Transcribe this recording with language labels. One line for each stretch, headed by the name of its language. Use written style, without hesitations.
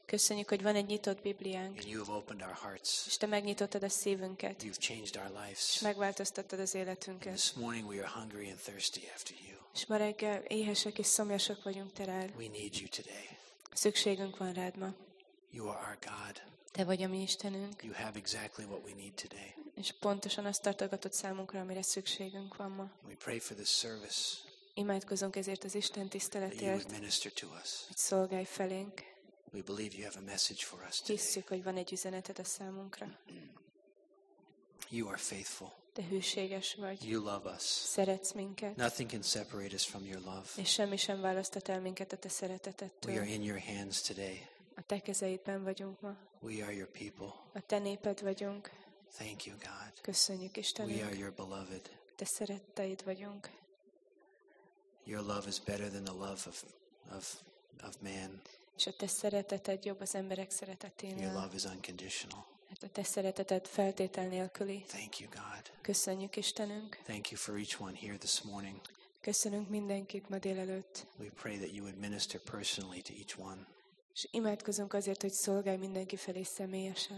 Hungarian: Köszönjük, hogy van egy nyitott Bibliánk.
English: And you have opened our hearts.
Hungarian: És te megnyitottad a szívünket.
English: You've changed our lives.
Hungarian: És megváltoztattad az életünket.
English: And this morning we are hungry and thirsty after you.
Hungarian: És ma reggel éhesek és szomjasok vagyunk terád.
English: We need you today.
Hungarian: Szükségünk van rád ma.
English: You are our God.
Hungarian: Te vagy a mi Istenünk.
English: You have exactly what we need today.
Hungarian: És pontosan azt tartogatod számunkra, amire szükségünk van ma.
English: We pray for this service.
Hungarian: Imádkozunk ezért az Isten tiszteletért.
English: Minister to us.
Hungarian: Hogy szolgálj felénk.
English: We believe you have a message for us today.
Hungarian: Hisszük, hogy van egy üzeneted a számunkra.
English: You are faithful.
Hungarian: Te hűséges vagy.
English: You love us.
Hungarian: Szeretsz minket.
English: Nothing can separate us from your love.
Hungarian: És semmi sem választhat el minket a te szeretetettől.
English: We are in your hands today.
Hungarian: A te kezeidben vagyunk ma.
English: We are your people.
Hungarian: A te néped vagyunk.
English: Thank you, God.
Hungarian: Köszönjük, Istenünk.
English: We are your beloved.
Hungarian: Te szeretteid vagyunk.
English: Your love is better than the love of man.
Hungarian: És a te szereteted jobb az emberek szereteténél.
English: Your love is unconditional.
Hungarian: Hát a te szereteted feltétel nélküli.
English: Thank you, God.
Hungarian: Köszönjük, Istenünk.
English: Thank you for each one here this morning.
Hungarian: Köszönünk mindenkit ma délelőtt.
English: We pray that you would minister personally to each one.
Hungarian: És imádkozunk azért, hogy szolgálj mindenki felé személyesen.